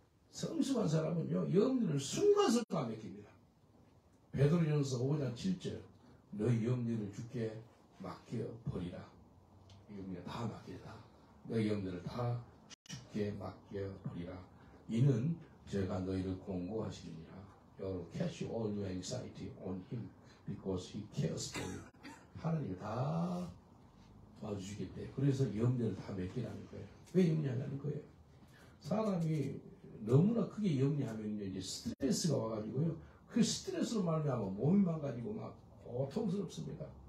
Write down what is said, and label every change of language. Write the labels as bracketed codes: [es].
[ko] 성숙한 사람은요, 영들을 순간순간 맡깁니다. 베드로전서 5장 7절, 너희 영들을 주께 맡겨버리라. 영들을 다 맡기라. 너희 영들을 다 주께 맡겨버리라. 이는 제가 너희를 공고하시리라. [en] You will catch all your anxiety on him because he cares for you. [ko] 하나님이 다 봐주시기 때문에. 그래서 염려를 다 맡기라는 거예요. 왜 염려하냐는 거예요. 사람이 너무나 크게 염려하면 이제 스트레스가 와가지고요. 그 스트레스로 말하면 몸이 망가지고 막 고통스럽습니다.